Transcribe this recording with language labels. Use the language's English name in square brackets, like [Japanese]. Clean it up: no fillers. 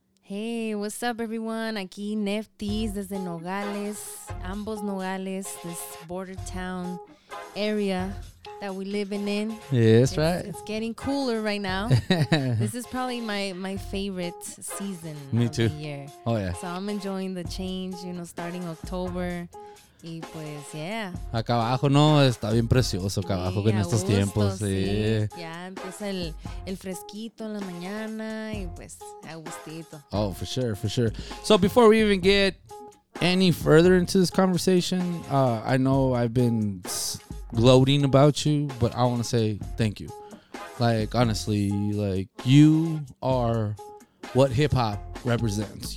[English] Hey, what's up, everyone? [Spanish] Aquí Neftys desde Nogales, ambos Nogales, [English] this border town area that we living in. Yeah, that's right. It's getting cooler right now. This is probably my favorite season. Me of too. The year. Oh yeah. So I'm enjoying the change, you know, starting October. [Spanish] Y pues, yeah. Acá abajo, ¿no? Está bien precioso acá abajo en estos tiempos. Sí. Ya empieza el fresquito en la mañana y pues, a gustito. [English] Oh, for sure, for sure. So before we even get any further into this conversation, I know I've been gloating about you, but I want to say thank you. Like, honestly, like, you are what hip-hop represents.